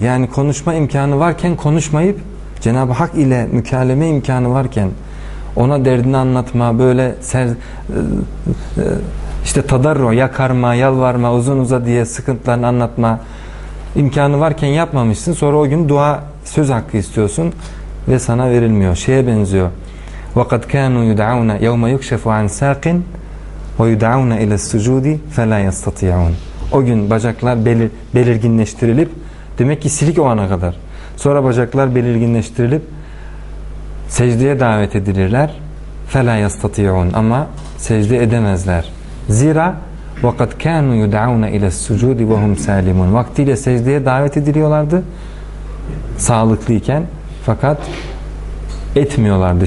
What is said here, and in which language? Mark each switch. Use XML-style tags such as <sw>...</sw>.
<tr>Yani konuşma imkanı varken konuşmayıp, Cenab-ı Hak ile mükaleme imkanı varken ona derdini anlatma, böyle işte tadarru, yakarma, yalvarma, uzun uza diye sıkıntılarını anlatma imkanı varken yapmamışsın. Sonra o gün dua söz hakkı istiyorsun ve sana verilmiyor. Şeye benziyor.</tr> <ar>وَقَدْ كَانُوا يُدْعَوْنَ يَوْمَ يُكْشَفُ عَنْ سَاقٍ وَيُدْعَوْنَ اِلَى السُّجُودِ فَلَا يَسْتَطِيَعُونَ</ar> <tr>O gün bacaklar belirginleştirilip, demek ki silik o ana kadar. Sonra bacaklar belirginleştirilip secdeye davet edilirler.</tr> <ar>فَلَا يَسْتَطِيَعُونَ</ar> <tr>Ama secde edemezler. Zira</tr> <ar>وَقَدْ كَانُوا يُدْعَوْنَ اِلَى السُّجُودِ وَهُمْ سَالِمُونَ</ar> <tr>Vaktiyle secdeye davet ediliyorlardı sağlıklıyken, fakat etmiyorlardı.</tr>